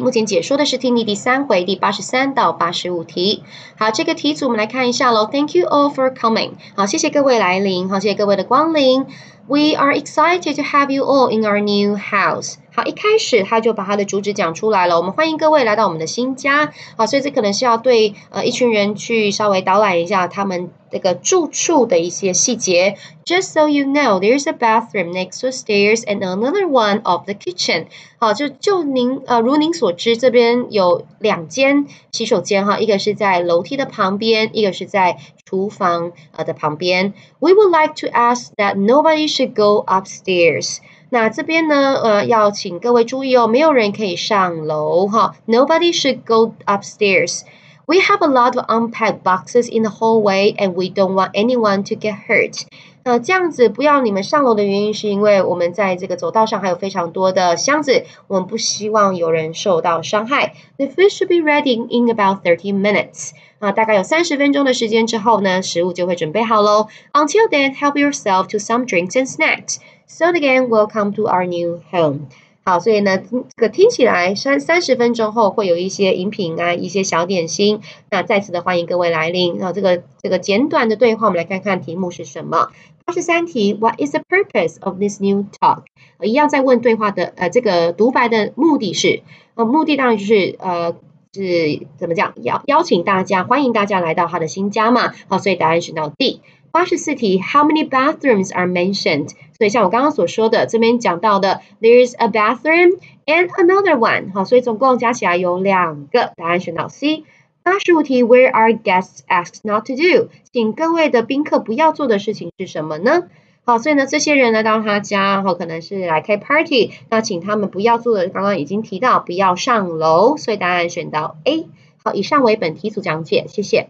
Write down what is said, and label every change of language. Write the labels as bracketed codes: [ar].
[zh] 目前解说的是听力第三回第83到85题。好，这个题组我们来看一下咯。 [en] Thank you all for coming。 [zh] 好，谢谢各位来临。好，谢谢各位的光临。 [en] We are excited to have you all in our new house。 [zh] 好，一开始他就把他的主旨讲出来了，我们欢迎各位来到我们的新家。好，所以这可能是要对一群人去稍微导览一下他们这个住处的一些细节。 [en] Just so you know, there's a bathroom next to stairs and another one of the kitchen。 [zh] 好，如您所知，这边有两间洗手间哈，一个是在楼梯的旁边，一个是在厨房的旁边。 [en] We would like to ask that nobody should go upstairs。 [zh] 那这边呢，要请各位注意哦，没有人可以上楼哈。 [en] Nobody should go upstairs。 We have a lot of unpacked boxes in the hallway, and we don't want anyone to get hurt。 [zh] 这样子不要你们上楼的原因，是因为我们在这个走道上还有非常多的箱子，我们不希望有人受到伤害。 [en] The food should be ready in about 30 minutes。 [zh] 大概有30分钟的时间之后呢，食物就会准备好喽。 [en] Until then, help yourself to some drinks and snacks. So again, welcome to our new home. [zh] 好，所以呢，这个听起来三十分钟后会有一些饮品啊，一些小点心。那再次的欢迎各位来临。然后这个简短的对话，我们来看看题目是什么。 [en] 83题，What is the purpose of this new talk？ [zh] 一样在问对话的这个独白的目的是，目的当然就是是怎么讲，邀请大家，欢迎大家来到他的新家嘛。好，所以答案是 [en] No D。 [zh] 84题， [en] How many bathrooms are mentioned？ [zh] 所以像我刚刚所说的，这边讲到的， [en] there is a bathroom and another one。 [zh] 好，所以总共加起来有两个，答案是 [en] No C。 85题，Where are guests asked not to do？ [zh] 请各位的宾客不要做的事情是什么呢？好，所以呢，这些人来到他家，然后可能是来开 party，那请他们不要做的，刚刚已经提到不要上楼，所以答案选到 A。好，以上为本题组讲解，谢谢。